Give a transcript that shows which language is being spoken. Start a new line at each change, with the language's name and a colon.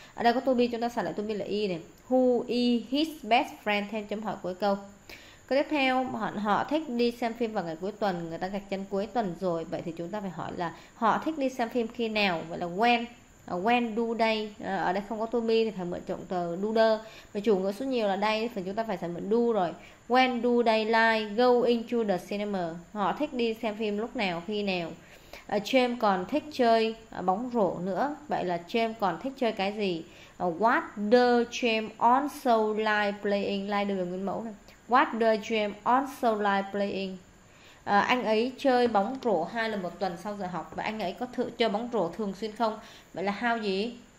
Vietnamese: Ở đây có to be, chúng ta xả lại to be là e này.
English: Who is his best friend?
Vietnamese: Thêm chấm hỏi cuối câu. Câu tiếp theo, họ thích đi xem phim vào ngày cuối tuần. Người ta gạch chân cuối tuần rồi. Vậy thì chúng ta phải hỏi là họ thích đi xem phim khi nào? Vậy là when.
English: When do they?
Vietnamese: Ở đây không có to be thì phải mượn động từ do the. Và chủ ngữ số nhiều là đây thì chúng ta phải mượn do rồi.
English: When do they like go into the cinema?
Vietnamese: Họ thích đi xem phim lúc nào, khi nào? James còn thích chơi bóng rổ nữa. Vậy là James còn thích chơi cái gì?
English: What does James also like playing?
Vietnamese: Like được nguyên mẫu này.
English: What does James also like playing?
Vietnamese: Anh ấy chơi bóng rổ 2 lần một tuần sau giờ học. Và anh ấy có thử chơi bóng rổ thường xuyên không? Vậy là how gì?